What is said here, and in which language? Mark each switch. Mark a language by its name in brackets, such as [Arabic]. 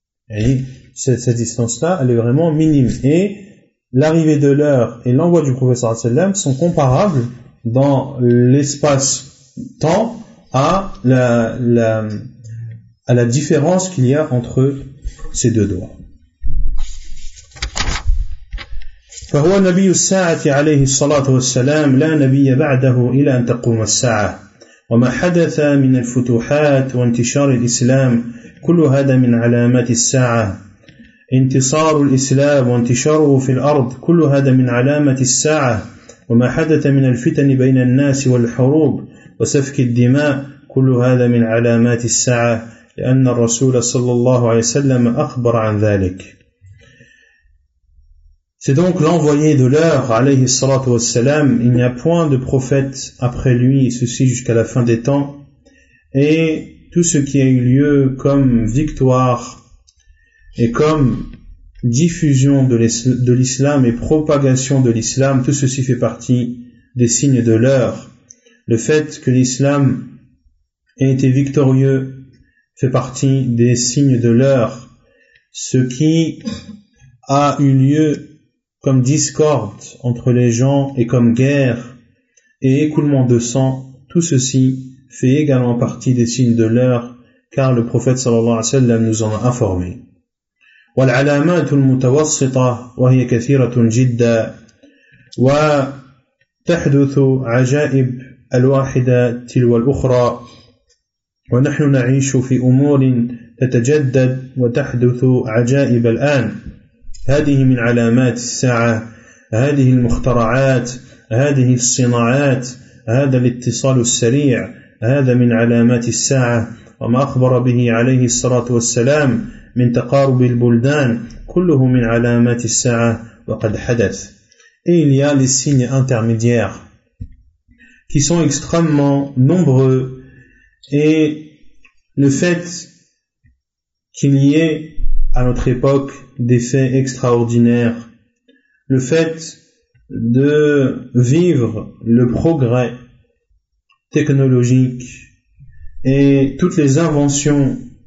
[French] Et cette distance-là, elle est vraiment minime. Et l'arrivée de l'heure et l'envoi du professeur Al-Sallam sont comparables dans l'espace-temps à la différence qu'il y a entre ces deux doigts. [Arabic] فهو نبي الساعة عليه الصلاة والسلام لا نبي بعده إلى أن تقوم الساعة وما حدث من الفتوحات وانتشار الإسلام كل هذا من علامات الساعة انتصار الإسلام وانتشاره في الأرض كل هذا من علامة الساعة وما حدث من الفتن بين الناس والحروب وسفك الدماء كل هذا من علامات الساعة لأن الرسول صلى الله عليه وسلم أخبر عن ذلك. [French] C'est donc l'envoyé de l'heure, [Arabic] alayhi salatu wassalam. [French] Il n'y a point de prophète après lui, et ceci jusqu'à la fin des temps. Et tout ce qui a eu lieu comme victoire et comme diffusion de l'islam et propagation de l'islam, tout ceci fait partie des signes de l'heure. Le fait que l'islam ait été victorieux fait partie des signes de l'heure. Ce qui a eu lieu comme discorde entre les gens et comme guerre et écoulement de sang, tout ceci fait également partie des signes de l'heure, car le prophète [Arabic] sallallahu alayhi wa sallam [French] nous en a informé. [Arabic] والعلامات المتوسطة وهي كثيرة جدا وتحدث عجائب الواحدة تلو الأخرى ونحن نعيش في أمور تتجدد وتحدث عجائب الآن هذه من علامات الساعة هذه المخترعات هذه الصناعات هذا الاتصال السريع هذا من علامات الساعة وما أخبر به عليه الصلاة والسلام من تقارب البلدان كله من علامات الساعة وقد حدث. [French] Et il y a les signes intermédiaires qui sont extrêmement nombreux, et le fait qu'il y ait à notre époque des faits extraordinaires, le fait de vivre le progrès technologique et toutes les inventions